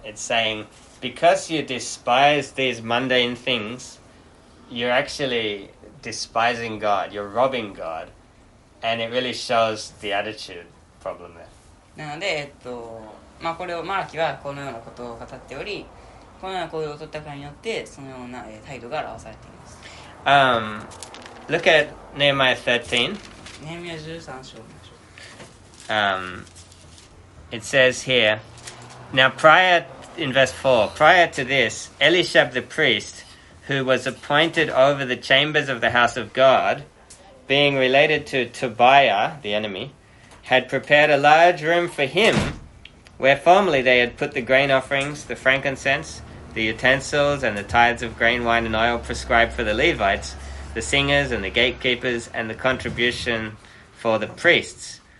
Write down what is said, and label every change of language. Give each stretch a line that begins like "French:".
English: It's saying, because you despise these mundane things, you're actually despising God, you're robbing God, and it really shows the attitude problem there.
Japanese: なので、これをマラキはこのようなことを語っており、このような行動を取ったからによって、そのような態度が表されています。
English: Look at Nehemiah 13.
Japanese: Nehemiah 13章を見ましょう。
English: It says here, now prior, in verse 4, prior to this, Eliashib the priest, who was appointed over the chambers of the house of God, being related to Tobiah, the enemy, had prepared a large room for him, where formerly they had put the grain offerings, the frankincense, the utensils, and the tithes of grain, wine, and oil prescribed for the Levites, the singers and the gatekeepers, and the contribution for the priests.